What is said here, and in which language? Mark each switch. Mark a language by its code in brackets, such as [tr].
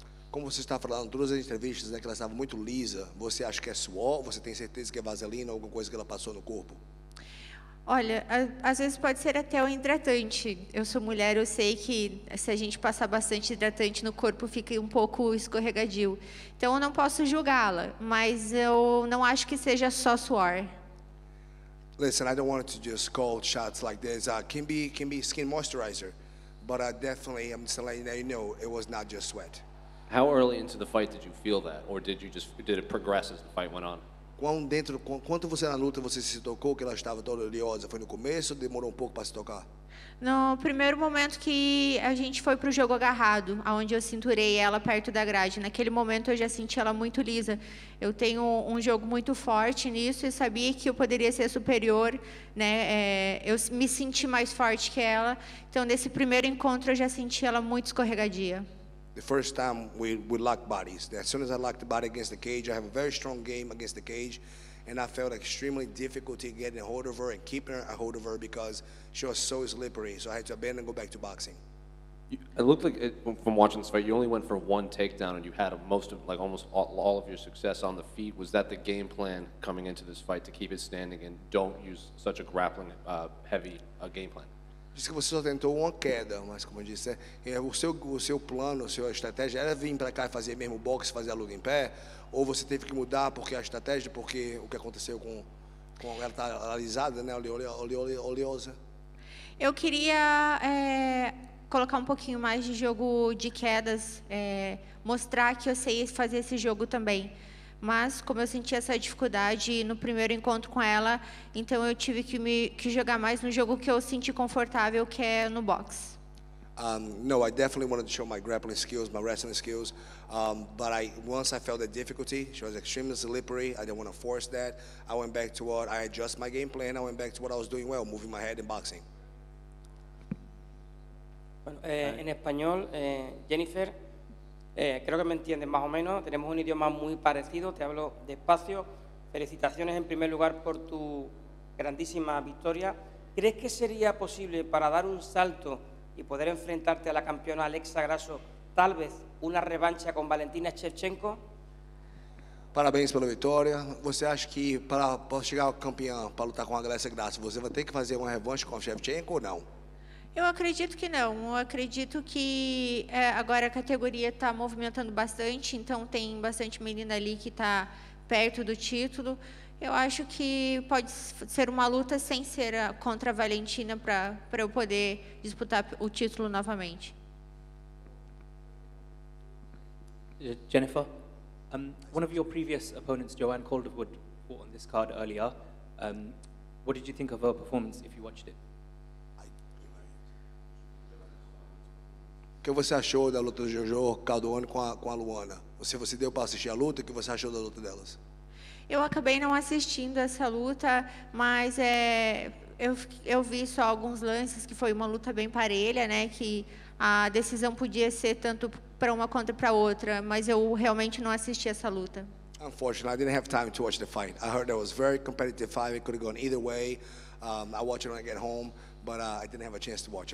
[pt] Como você está falando, todas as entrevistas, né, que ela estava muito lisa, você acha que é suor, você tem certeza que é vaselina ou alguma coisa que ela passou no corpo? Olha, às vezes pode ser até um hidratante. Eu sou mulher, eu sei que se a gente passar bastante hidratante no corpo, fica um pouco escorregadio. Então, eu não posso julgá-la, mas eu não acho que seja só suor. [en] Listen, I don't want to just call shots like this. Can be skin moisturizer, but I'm just letting you know it was not just sweat. How early into the fight did you feel that, or did it progress as the fight went on? [pt] Quanto você na luta você se tocou que ela estava toda oleosa? Foi no começo ou demorou um pouco para se tocar? No primeiro momento que a gente foi para o jogo agarrado, onde eu cinturei ela perto da grade. Naquele momento eu já senti ela muito lisa. Eu tenho um jogo muito forte nisso e sabia que eu poderia ser superior, né? Eu me senti mais forte que ela. Então, nesse primeiro encontro, eu já senti ela muito escorregadia. [en] The first time we locked bodies. As soon as I locked the body against the cage, I have a very strong game against the cage, and I felt extremely difficult to get a hold of her and keeping a hold of her because she was so slippery. So I had to abandon and go back to boxing. It looked like, from watching this fight, you only went for one takedown, and you had almost all of your success on the feet. Was that the game plan coming into this fight to keep it standing and don't use such a grappling heavy game plan? [pt] Disse que você só tentou uma queda, mas como eu disse, o seu plano, a sua estratégia era vir para cá e fazer mesmo boxe, fazer a luta em pé, ou você teve que mudar porque a estratégia, porque o que aconteceu com ela está alisada, né, oleosa? Eu queria colocar um pouquinho mais de jogo de quedas, mostrar que eu sei fazer esse jogo também. Mas, como eu senti essa dificuldade no primeiro encontro com ela, então eu tive que jogar mais no jogo que eu senti confortável, que é no boxe. [en] No, I definitely wanted to show my grappling skills, my wrestling skills. But once I felt the difficulty, she was extremely slippery. I didn't want to force that. I went back to what I adjusted my game plan. I went back to what I was doing well, moving my head and boxing. [es] Bueno, en español, Jennifer, creo que me entiendes más o menos. Tenemos un idioma muy parecido. Te hablo despacio. Felicitaciones en primer lugar por tu grandísima victoria. ¿Crees que sería posible para dar un salto y poder enfrentarte a la campeona Alexa Grasso, tal vez una revancha con Valentina Shevchenko? [pt] Parabéns pela vitória. Você acha que para chegar ao campeão, para lutar com a Alexa Grasso, você vai ter que fazer uma revanche com a Shevchenko ou não? Eu acredito que não. Eu acredito que agora a categoria está movimentando bastante, então tem bastante menina ali que está perto do título. Eu acho que pode ser uma luta sem ser contra a Valentina para eu poder disputar o título novamente. [en] Jennifer, one of your previous opponents, Joanne Calderwood, fought on this card earlier. What did you think of her performance if you watched it? [pt] O que você achou da luta do Jojo Calderwood com a Luana? Você deu para assistir a luta? O que você achou da luta delas? Eu acabei não assistindo essa luta, mas eu vi só alguns lances, que foi uma luta bem parelha, né? Que a decisão podia ser tanto para uma quanto para outra, mas eu realmente não assisti essa luta. [en] Unfortunately, I didn't have time to watch the fight. I heard that was very competitive fight. It could have gone either way. I watched it when I get home, but I didn't have a chance to watch.